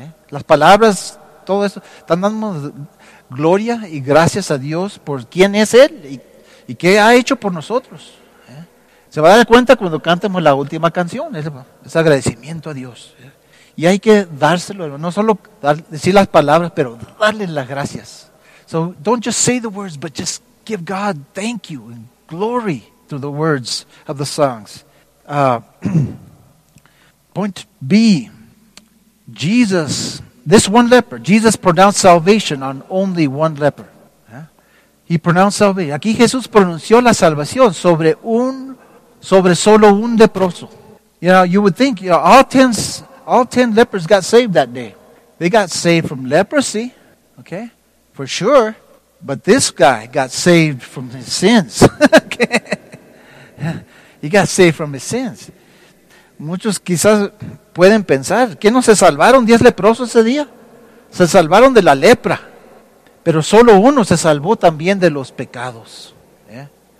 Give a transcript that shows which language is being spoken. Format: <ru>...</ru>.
<es>Las palabras, todo eso, están dando gloria y gracias a Dios por quién es Él y qué ha hecho por nosotros. Se va a dar cuenta cuando cantemos la última canción, es agradecimiento a Dios. Y hay que dárselo, no solo decir las palabras, pero darle las gracias.</es> <en>So don't just say the words, but just give God thank you and glory through the words of the songs. Point B. Jesus pronounced salvation on only one leper. He pronounced salvation.</en> <es>Aquí Jesús pronunció la salvación sobre solo un leproso.</es> <en>You know, you would think, you know, all ten lepers got saved that day. They got saved from leprosy, okay, for sure. But this guy got saved from his sins. Okay. He got saved from his sins.</en> <es>Muchos quizás pueden pensar, ¿qué no se salvaron 10 leprosos ese día? Se salvaron de la lepra. Pero solo uno se salvó también de los pecados, yeah?</es>